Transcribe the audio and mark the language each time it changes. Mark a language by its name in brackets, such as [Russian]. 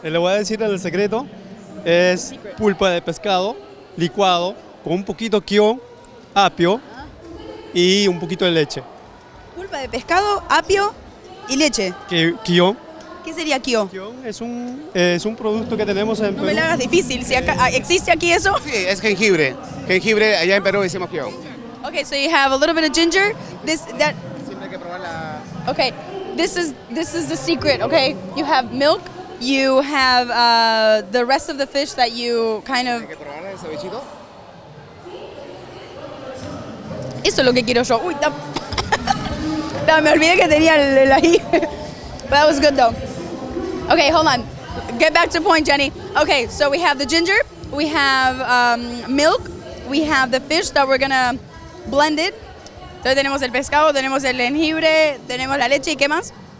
[Spanish] Le voy a decir el secreto, es pulpa de pescado licuado con un poquito kion, apio, y un poquito de leche. Pulpa de pescado, apio y leche. Kion. ¿Qué sería kion? Es un producto que tenemos en no Perú. No me lo hagas difícil, si acá, ¿existe aquí eso? Sí, es jengibre. Jengibre, allá en Perú decimos kion. [English] Okay, so you have a little bit of ginger. [Spanish] Siempre hay que probar la... [English] Okay, this is the secret, okay? You have milk, you have the rest of the fish that you kind of... [Spanish] Eso es lo que quiero yo. Uy, me olvidé que tenía el ají. [English] But that was good though. Okay, hold on. Get back to point, [Spanish] Jenny. [English] Okay, so we have the ginger, we have milk, we have the fish that we're gonna blend it. [Spanish] Entonces tenemos el pescado, tenemos el jengibre, tenemos la leche, ¿y qué más?